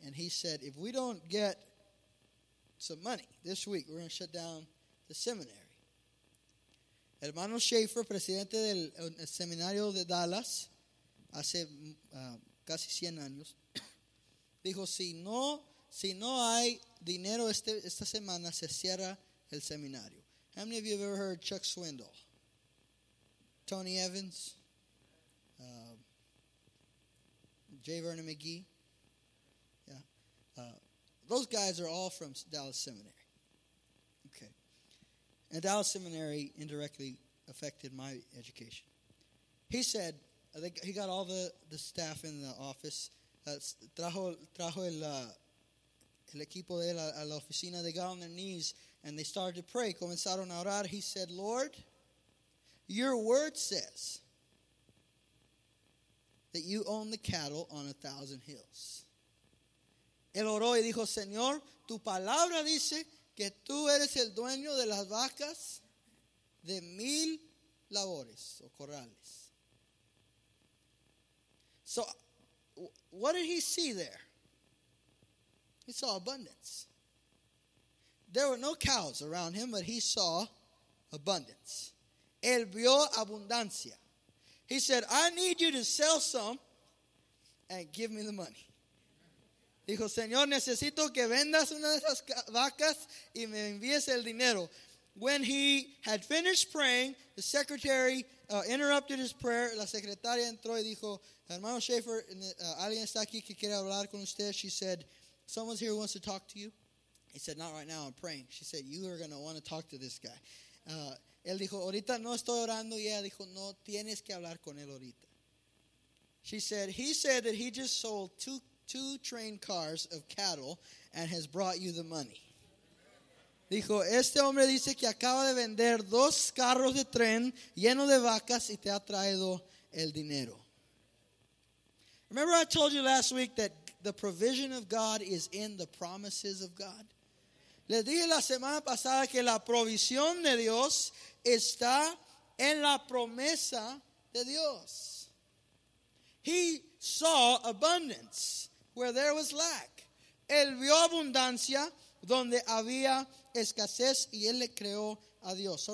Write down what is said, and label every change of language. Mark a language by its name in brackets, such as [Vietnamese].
[English] And he said, if we don't get some money this week, we're going to shut down the seminary. [Spanish] Hermano Schaefer, presidente del seminario de Dallas, hace casi 100 años, dijo, si no hay dinero esta semana, se cierra el seminario. [English] How many of you have ever heard Chuck Swindoll? Tony Evans, J. Vernon McGee, those guys are all from Dallas Seminary. Okay, and Dallas Seminary indirectly affected my education. He said he got all the staff in the office. [Spanish] Trajo el equipo de él a la oficina. [English] They got on their knees and they started to pray. [Spanish] Comenzaron a orar. [English] He said, Lord, your word says that you own the cattle on 1,000 hills. [Spanish] Él oró y dijo, Señor, tu palabra dice que tú eres el dueño de las vacas de 1,000 labores o corrales. [English] So, what did he see there? He saw abundance. There were no cows around him, but he saw abundance. [Spanish] Él vio abundancia. [English] He said, I need you to sell some and give me the money. [Spanish] Dijo, Señor, necesito que vendas una de esas vacas y me envíes el dinero. [English] When he had finished praying, the secretary interrupted his prayer. [Spanish] La secretaria entró y dijo, Hermano Schaefer, alguien está aquí que quiere hablar con usted. [English] She said, someone's here who wants to talk to you. He said, not right now, I'm praying. She said, you are going to want to talk to this guy. [Spanish] Él dijo, ahorita no estoy orando. Y ella dijo, no, tienes que hablar con él ahorita. [English] She said, he said that he just sold two train cars of cattle and has brought you the money. [Spanish] Dijo, este hombre dice que acaba de vender dos carros de tren lleno de vacas y te ha traído el dinero. [English] Remember I told you last week that the provision of God is in the promises of God? [Spanish] Les dije la semana pasada que la provisión de Dios está en la promesa de Dios. [English] He saw abundance where there was lack. [Spanish] Él vio abundancia donde había escasez y él le creó a Dios.